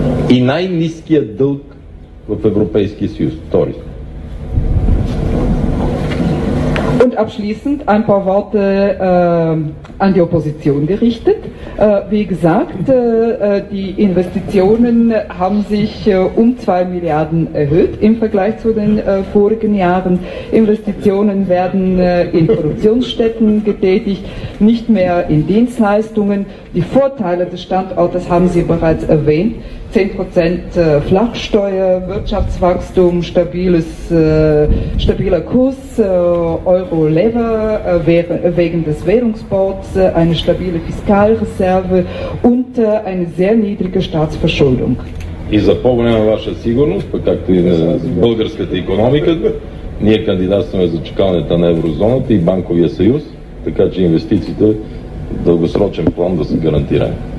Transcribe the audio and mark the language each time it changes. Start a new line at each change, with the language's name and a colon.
Bulgarian: И най-ниският дълг в Европейския съюз. Втори.
German: Und abschließend ein paar Worte an die Opposition gerichtet. Wie gesagt, die Investitionen haben sich um 2 Milliarden erhöht im Vergleich zu den vorigen Jahren. Investitionen werden in Produktionsstätten getätigt, nicht mehr in Dienstleistungen. Die Vorteile des Standortes haben Sie bereits erwähnt. 10% Flachsteuer, Wirtschaftswachstum, stabiler Kurs, Euro-Lever wegen des Währungsbords, eine stabile Fiskalreserve und eine sehr niedrige Staatsverschuldung.
Bulgarian: И за по-голяма ваша сигурност, пък както и на българската икономика, ние кандидатстваме за чакалнята на еврозоната и банковия съюз, така че инвестициите в дългосрочен план да се гарантираме.